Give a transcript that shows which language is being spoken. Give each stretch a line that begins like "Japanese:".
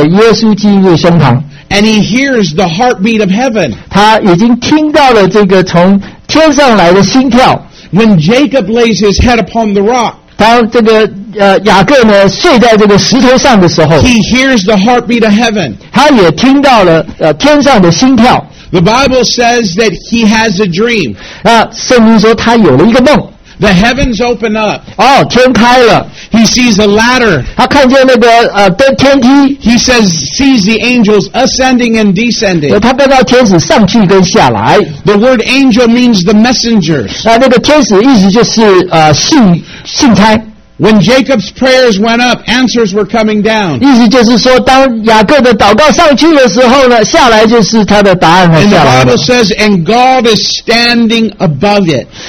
Chinese: 约翰呢，这个头靠在耶稣基督的胸膛。
English: And he hears the heartbeat of heaven.
Chinese: 他已经听到了这个从天上来的心跳。
English: When Jacob lays his head upon the rock.
Chinese: 当这个雅各呢睡在这个石头上的时候，
English: he hears the heartbeat of heaven.
Chinese: 他也听到了天上的心跳。
English: The Bible says that he has a dream.
Chinese: 那圣经说他有了一个梦。
English: The heavens open up.
Chinese: 哦, 天开了。
English: He sees a ladder.
Chinese: 他看见那个天梯。
English: He says, sees the angels ascending and descending.
Chinese: 他看到天使上去跟下来。
English: The word angel means the messengers.
Chinese: 那个天使意思就是信差。
English: When Jacob's prayers went up, answers were coming down.
Chinese: 意思就是说，当雅各的祷告上去的时候呢，下来就是他的答案和下来。
English: And the Bible says, and God is standing above it.